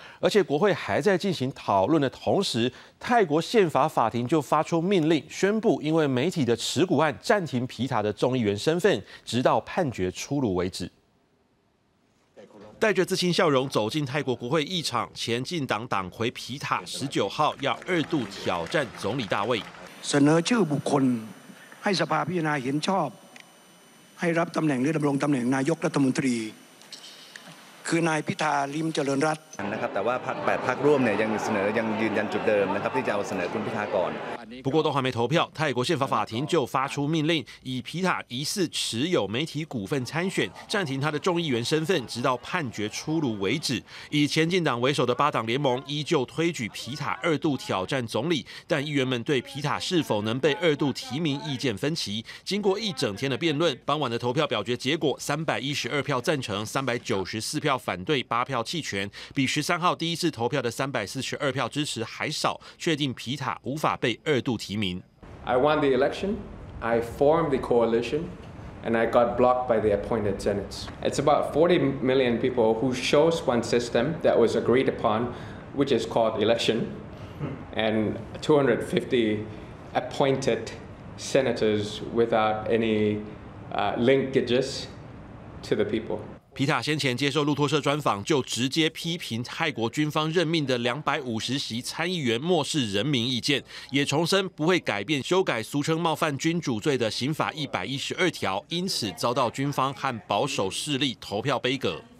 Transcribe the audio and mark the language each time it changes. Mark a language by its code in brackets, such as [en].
[zh] 而且国会还在进行讨论的同时，泰国宪法法庭就发出命令，宣布因为媒体的持股案暂停皮塔的众议员身份，直到判决出炉为止。带着自信笑容走进泰国国会议场，前进党党魁皮塔19号要二度挑战总理大位。审核这部分， [th] ให้สภาพิจารณาเห็นชอบให้รับตำแหน่งหรือดำรงตำแหน่งนายกรัฐมนตรีคือนายพิธาลิ้มเจริญรัต น์นะครับแต่ว่าพรรค8พรรคร่วมเนี่ยยังเสนอยังยืนยันจุดเดิมนะครับที่จะเอาเสนอคุณพิธาก่อน [zh] 不过都还没投票，泰国宪法法庭就发出命令，以皮塔疑似持有媒体股份参选，暂停他的众议员身份，直到判决出炉为止。以前进党为首的八党联盟依旧推举皮塔二度挑战总理，但议员们对皮塔是否能被二度提名意见分歧。经过一整天的辩论，傍晚的投票表决结果，312票赞成，394票反对，8票弃权，比13号第一次投票的342票支持还少，确定皮塔无法被二度提名。 [en] I won the election, I formed the coalition, and I got blocked by the appointed Senate. It's about 40 million people who chose one system that was agreed upon, which is called election, and 250 appointed senators without any linkages to the people. [zh] 皮塔先前接受路透社专访，就直接批评泰国军方任命的250席参议员漠视人民意见，也重申不会改变修改俗称冒犯君主罪的刑法112条，因此遭到军方和保守势力投票杯葛。